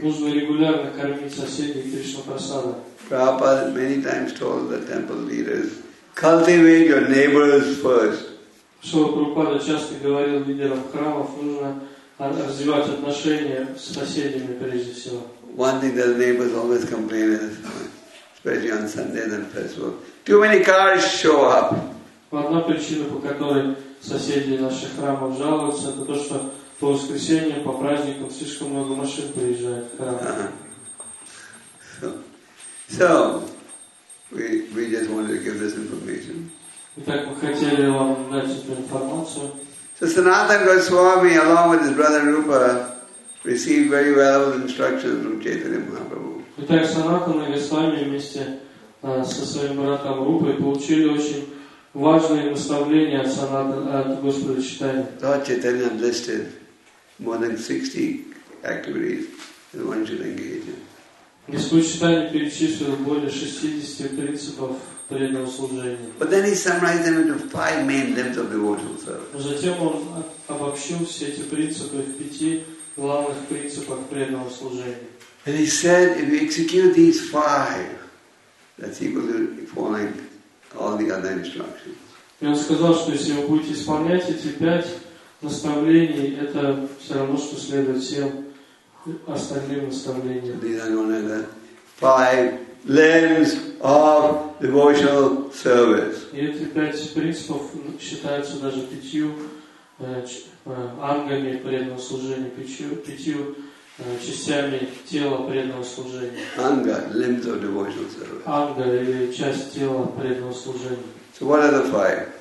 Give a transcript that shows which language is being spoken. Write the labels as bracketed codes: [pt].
[ru] Нужно регулярно кормить соседей Кришна Прасада. [en] Prabhupada many times told the temple leaders, cultivate your neighbors first. [ru] Шрила Прабхупада часто говорил лидерам храмов, нужно развивать отношения с соседями прежде всего. [en] One thing that neighbors always complain is, especially on Sundays and festivals, too many cars show up. [ru] Одна причина, по которой соседи наших храмов жалуются, это то, что по воскресеньям, по праздникам слишком много машин приезжает в храм. [en] So we just wanted to give this information. [ru] Итак, мы хотели вам дать эту информацию. [en] So Sanatana Goswami, along with his brother Rupa, received very well instructions from Chaitanya Mahaprabhu. [ru] Итак, Санатана Госвами вместе со своим братом Рупой получили очень важные наставления от Господа Чайтанья. [en] Lord Chaitanya listed more than 60 activities that one should engage in. [ru] Господь Чайтанья перечислил более 60 принципов преданного служения. [en] But then he summarized them into five main limbs of devotional service. [ru] Затем он обобщил все эти принципы в пяти главных принципах преданного служения. [en] And he said, if you execute these five, that's equal to following all the other instructions. [ru] И он сказал, что если вы будете исполнять эти пять наставлений, это все равно, что следует всем остальным наставлениям. [en] These are known as the five limbs of devotional service. [ru] И эти пять принципов считаются даже пятью ангами преданного служения, пятью частями тела преданного служения. [en] Anga, limbs of devotional service. [ru] Anga, или часть тела преданного служения. [en] So what are the five?